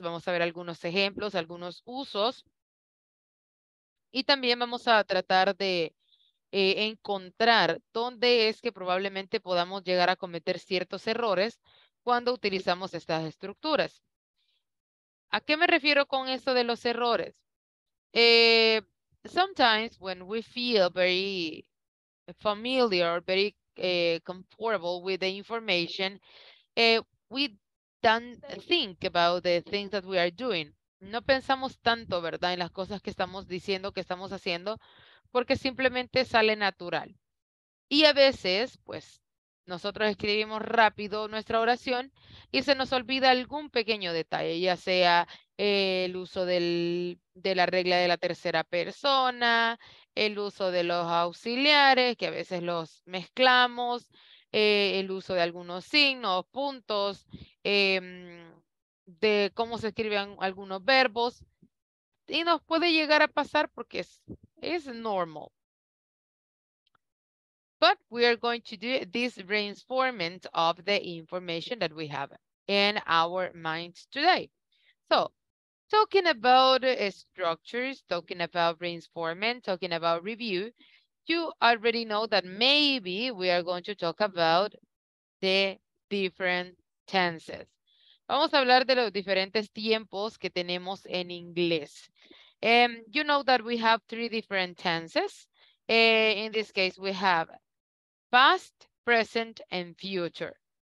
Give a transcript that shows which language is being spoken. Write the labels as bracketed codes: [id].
[es] Vamos a ver algunos ejemplos, algunos usos. Y también vamos a tratar de encontrar dónde es que probablemente podamos llegar a cometer ciertos errores cuando utilizamos estas estructuras. ¿A qué me refiero con esto de los errores? [en] Sometimes when we feel very familiar, very comfortable with the information, we don't think about the things that we are doing. [es] No pensamos tanto, ¿verdad?, en las cosas que estamos diciendo, que estamos haciendo, porque simplemente sale natural. Y a veces, pues, nosotros escribimos rápido nuestra oración y se nos olvida algún pequeño detalle, ya sea el uso de la regla de la tercera persona, el uso de los auxiliares, que a veces los mezclamos, el uso de algunos signos, puntos, de cómo se escriben algunos verbos. Y nos puede llegar a pasar porque es normal. [en] But we are going to do this reinforcement of the information that we have in our minds today. So, talking about structures, talking about reinforcement, talking about review, you already know that maybe we are going to talk about the different tenses. [es] Vamos a hablar de los diferentes tiempos que tenemos en inglés. [en] You know that we have three different tenses. In this case, we have past, present, and future.